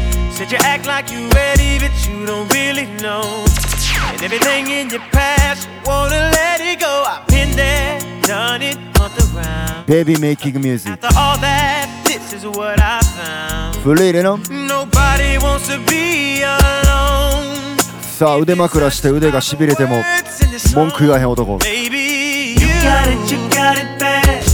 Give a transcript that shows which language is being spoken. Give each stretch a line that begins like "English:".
English: Said you act like you ready, but you don't really know. And everything in your past, you wanna let it go. I've been there, done it, on the ground. Baby making music. After all that, this is what I found. Believe it, nobody wants to be alone.
Japanese: さあ、腕枕して腕がしびれても文句言わへん男。
English: Baby, you got it, you got it bad.